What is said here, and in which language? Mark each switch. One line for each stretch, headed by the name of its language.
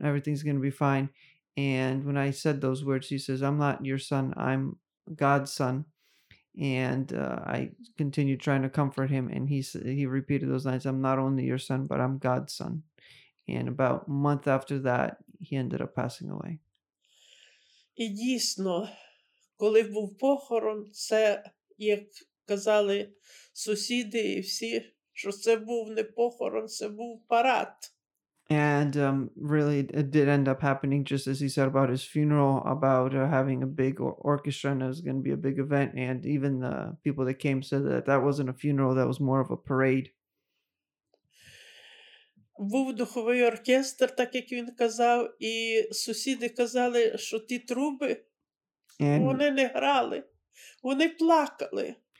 English: Everything's going to be fine. And when I said those words, he says, I'm not your son. I'm God's son. And I continued trying to comfort him. And he repeated those lines. I'm not only your son, but I'm God's son. And about a month after that, he ended up passing away.
Ukrainian: І дійсно, коли був похорон, це як... казали сусіди і всі, що це був не похорон, це був парад.
English: And really it did end up happening, just as he said about his funeral, about having a big orchestra and it was going to be a big event, and even the people that came said that that wasn't a funeral, that was more of a parade.
Ukrainian: Був духовий оркестр, так як він казав, і сусіди казали, що ті труби, вони не грали, вони плакали.